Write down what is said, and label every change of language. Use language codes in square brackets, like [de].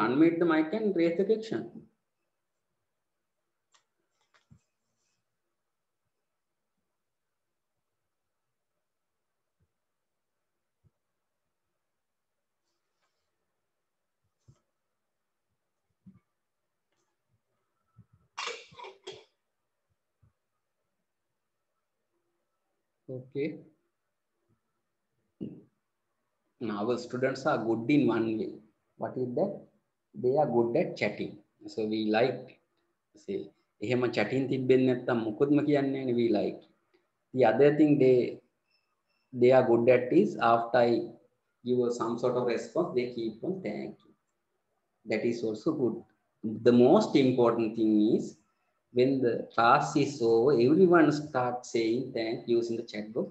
[en] unmute the mic and raise the question Okay. Now our students are good in one way. What is that? They are good at chatting. So we like it. [si] See, එහෙම chatting තිබෙන්නේ නැත්තම් මොකොත්ම කියන්නේ නැහැ. [en] We like it. The other thing they are good at is after I give some sort of response, they keep on thank you. That is also good. The most important thing is. When the class is over, everyone starts saying thank you using the chat box.